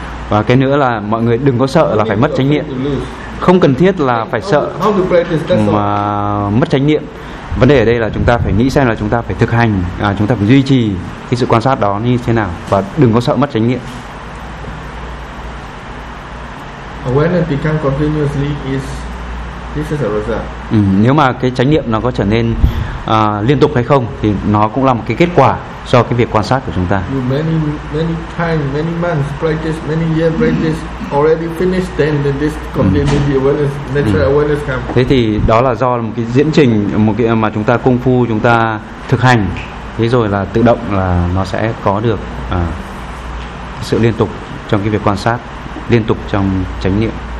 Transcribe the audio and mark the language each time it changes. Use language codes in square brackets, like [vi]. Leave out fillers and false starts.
[vi] Và cái nữa là mọi người đừng có sợ là phải mất chánh niệm. Không cần thiết là phải sợ mà mất chánh niệm. Vấn đề ở đây là chúng ta phải nghĩ xem là chúng ta phải thực hành, chúng ta phải duy trì cái sự quan sát đó như thế nào và đừng có sợ mất chánh niệm. [en] Awareness become continuously is this is a result. [vi] Nếu mà cái chánh niệm nó có trở nên liên tục hay không thì nó cũng là một cái kết quả do cái việc quan sát của chúng ta. [en] Many many times, many months practice, many year practice already finished, then this continuous awareness, natural awareness comes. [vi] Thế thì đó là do một cái diễn trình, một cái mà chúng ta công phu, chúng ta thực hành, thế rồi là tự động là nó sẽ có được sự liên tục trong cái việc quan sát, liên tục trong chánh niệm.